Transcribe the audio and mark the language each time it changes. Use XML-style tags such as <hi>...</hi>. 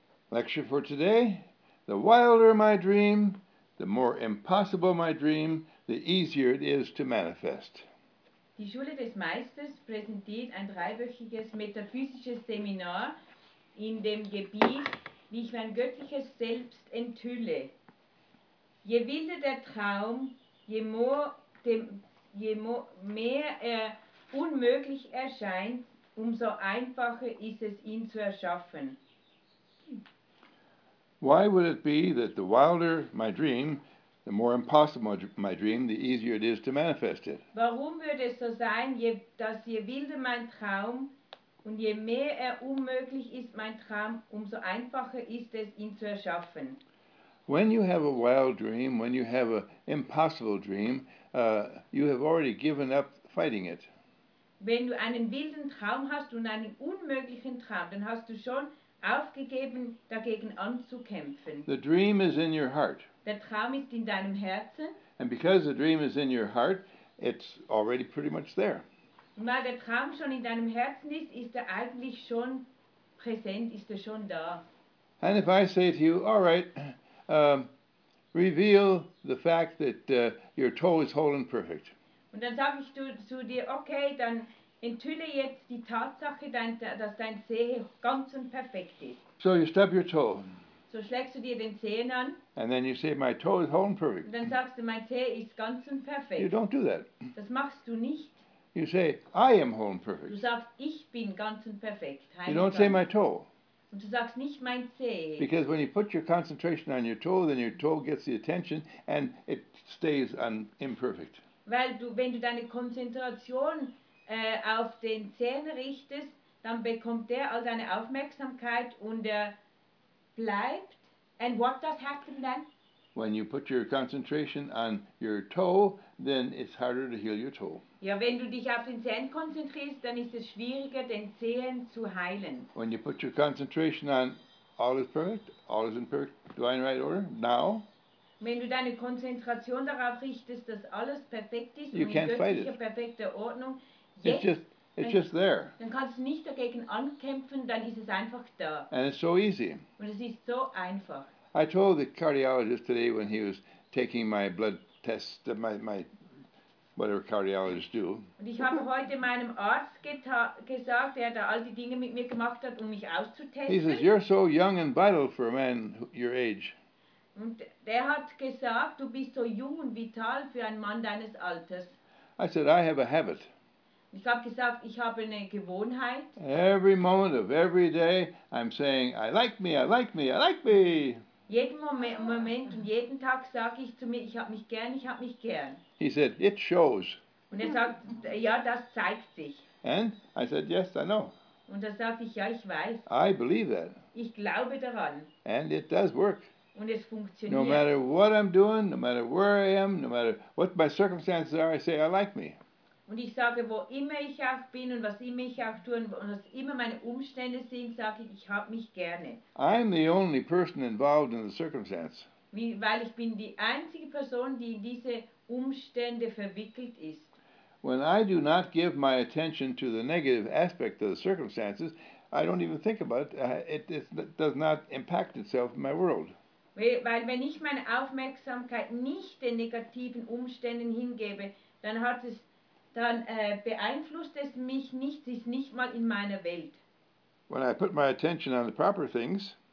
<en>Lecture for today, the wilder my dream, the more impossible my dream, the easier it is to manifest.</en> <de>Die Schule des Meisters präsentiert ein dreiwöchiges metaphysisches Seminar in dem Gebiet, wie ich mein göttliches Selbst enthülle. Je wilder der Traum, je mehr er unmöglich erscheint, umso einfacher ist es, ihn zu erschaffen.</de> <en>Why would it be that the wilder my dream, the more impossible my dream, the easier it is to manifest it?</en> <de>Warum würde es so sein, dass je wilder mein Traum und je mehr er unmöglich ist, mein Traum, umso einfacher ist es, ihn zu erschaffen?</de> <en>When you have a wild dream, when you have an impossible dream, you have already given up fighting it.</en> <de>Wenn du einen wilden Traum hast und einen unmöglichen Traum, dann hast du schon aufgegeben, dagegen anzukämpfen.</de> <en>The dream is in your heart.</en> <de>Der Traum ist in deinem Herzen.</de> <en>And because the dream is in your heart, it's already pretty much there.</en> <de>Und weil der Traum schon in deinem Herzen ist, ist er eigentlich schon präsent, ist er schon da.</de> <en>And if I say to you, all right, reveal the fact that your toe is whole and perfect.</en> <de>Und dann sage ich zu dir, okay, dann enthülle jetzt die Tatsache, dass dein Zeh ganz und perfekt ist.</de> <en>So you stub your toe.</en> <de>So schlägst du dir den Zehen an.</de> <en>And then you say, my toe is whole and perfect.</en> <de>Und dann sagst du, mein Zeh ist ganz und perfekt.</de> <en>You don't do that.</en> <de>Das machst du nicht.</de> <en>You say, I am whole and perfect.</en> <de>Du sagst, ich bin ganz und perfekt.</de> <en>You don't say, my toe.</en> <de>Und du sagst nicht mein Zeh.</de> <en>Because when you put your concentration on your toe, then your toe gets the attention and it stays imperfect.</en> <de>Weil du, wenn du deine Konzentration auf den Zehen richtest, dann bekommt der all deine Aufmerksamkeit und er bleibt.</de> <en>And what does happen then? When you put your concentration on your toe, then it's harder to heal your toe.</en> <de>Ja, wenn du dich auf den Zehen konzentrierst, dann ist es schwieriger, den Zehen zu heilen.</de> <en>When you put your concentration on all is in perfect, do I in right order, now?</en> <de>Wenn du deine Konzentration darauf richtest, dass alles perfekt ist you und in göttlicher, perfekter Ordnung, jetzt,</de> <en>it's just there.</en> <de>Dann kannst du nicht dagegen ankämpfen, dann ist es einfach da.</de> <en>And it's so easy.</en> <de>Und es ist so einfach.</de> <en>I told the cardiologist today when he was taking my blood test, my whatever cardiologists do.</en> <de>Und ich habe heute meinem Arzt gesagt, der da all die Dinge mit mir gemacht hat, um mich auszutesten.</de> <en>He says, you're so young and vital for a man your age.</en> <de>Und der hat gesagt, du bist so jung und vital für einen Mann deines Alters.</de> <en>I said, I have a habit.</en> <de>Ich habe gesagt, ich habe eine Gewohnheit.</de> <en>Every moment of every day, I'm saying, I like me, I like me, I like me.</en> <de>Jeden Moment und jeden Tag sage ich zu mir, ich habe mich gern, ich habe mich gern.</de> <en>He said, it shows.</en> <de>Und er sagt, ja, das zeigt sich.</de> <en>And I said, yes, I know.</en> <de>Und da sage ich, ja, ich weiß.</de> <en>I believe that.</en> <de>Ich glaube daran.</de> <en>And it does work.</en> <de>Und es funktioniert.</de> <en>No matter what I'm doing, no matter where I am, no matter what my circumstances are, I say, I like me.</en> <de>Und ich sage, wo immer ich auch bin und was immer ich auch tue und was immer meine Umstände sind, sage ich, ich habe mich gerne.</de> <en>I'm the only person involved in the circumstance.</en> <de>Weil ich bin die einzige Person, die in diese Umstände verwickelt ist.</de> <en>When I do not give my attention to the negative aspect of the circumstances, I don't even think about it. It does not impact itself in my world.</en> <de>Weil wenn ich meine Aufmerksamkeit nicht den negativen Umständen hingebe, dann hat es beeinflusst es mich nicht, es ist nicht mal in meiner Welt.</de> <en>When I put my attention on the proper things,</en>